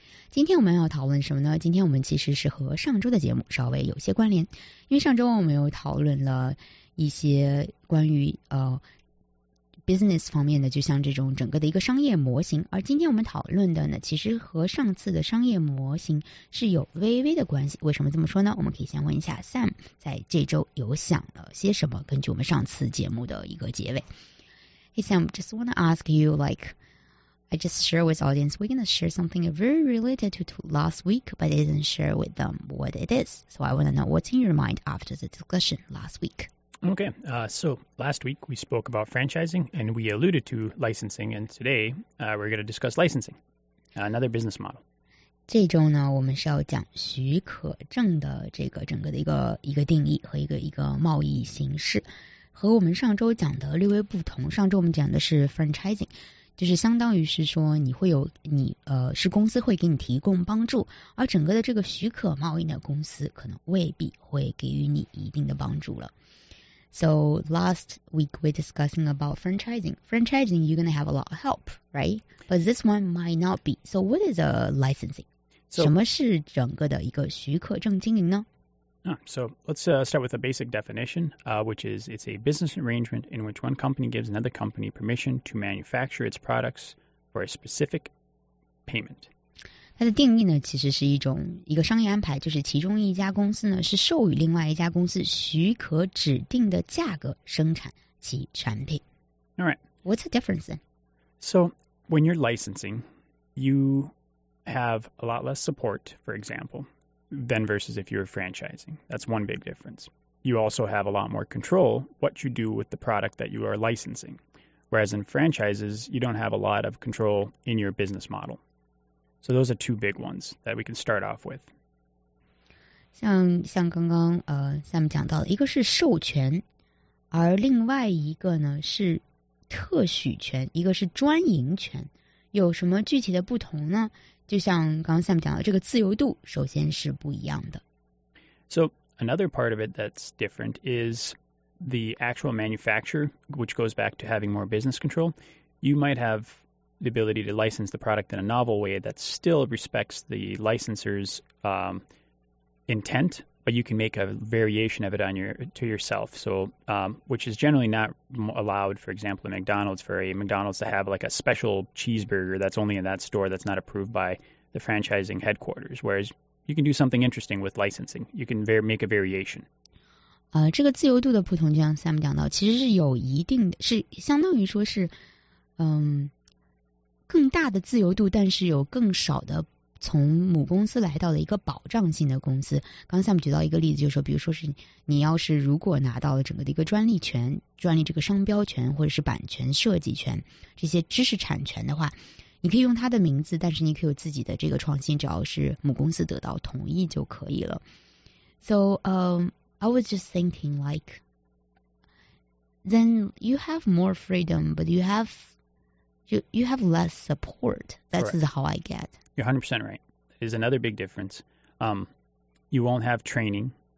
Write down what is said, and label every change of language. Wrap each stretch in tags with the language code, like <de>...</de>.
<zh>今天我们要讨论什么呢？今天我们其实是和上周的节目稍微有些关联，因为上周我们有讨论了一些关于business 方面的，就像这种整个的一个商业模型，而今天我们讨论的呢，其实和上次的商业模型是有微微的关系。为什么这么说呢？我们可以先问一下 Sam 在这周有想了些什么，根据我们上次节目的一个结尾。</zh> <en>Hey Sam, just want to ask you, like, I just share with audience, we're going to share something very related to last week, but I didn't share with them what it is. So I want to know what's in your mind after the discussion last week. Okay, so last week we spoke about franchising and we alluded to licensing, and today we're going to discuss licensing, another business model.</en> <zh>这周呢，我们是要讲许可证的这个整个的一个定义和一个贸易形式，和我们上周讲的略微不同。上周我们讲的是 franchising，就是相当于是说是公司会给你提供帮助，而整个的这个许可贸易呢，公司可能未必会给予你一定的帮助了。</zh> <en>So last week we're discussing about franchising. Franchising, you're going to have a lot of help, right? But this one might not be. So what is a licensing?</en> <zh>So, 什么是整个的一个许可证经营呢？</zh> <en>So let's start with a basic definition, which is it's a business arrangement in which one company gives another company permission to manufacture its products for a specific payment.</en> <zh>它的定义呢，其实是一个商业安排，就是其中一家公司呢是授予另外一家公司许可指定的价格生产其产品。</zh> <en>All right. What's the difference then? So when you're licensing, you have a lot less support, for example, than versus if you're franchising. That's one big difference. you also have a lot more control what you do with the product that you are licensing. Whereas in franchises, you don't have a lot of control in your business model. So those are two big ones that we can start off with.</en> <zh>像刚刚Sam 讲到的，一个是授权，而另外一个呢是特许权，一个是专营权。有什么具体的不同呢？就像刚刚 Sam 讲的，这个自由度首先是不一样的。</zh> <en>So another part of it that's different is the actual manufacturer, which goes back to having more business control. You might have the ability to license the product in a novel way that still respects the licensor's intent, but you can make a variation of it on yourself. So, which is generally not allowed, for example, in McDonald's, for a McDonald's to have like a special cheeseburger that's only in that store that's not approved by the franchising headquarters. Whereas you can do something interesting with licensing. You can make a variation.</en> <zh>这个自由度的不同，就像 Sam 讲到，其实是有一定的，是相当于说是，更大的自由度，但是有更少的从母公司来到的一个保障性的公司。刚才 Sam 举到一个例子，就是说，比如说是你要是如果拿到了整个的一个专利权，专利这个商标权或者是版权设计权这些知识产权的话，你可以用它的名字，但是你可以有自己的这个创新，只要是母公司得到同意就可以了。</zh> <en>So, I was just thinking, like, then you have more freedom, but you have less support. That's Correct. How I get. You're 100% right. It is another big difference. You won't have training.</en>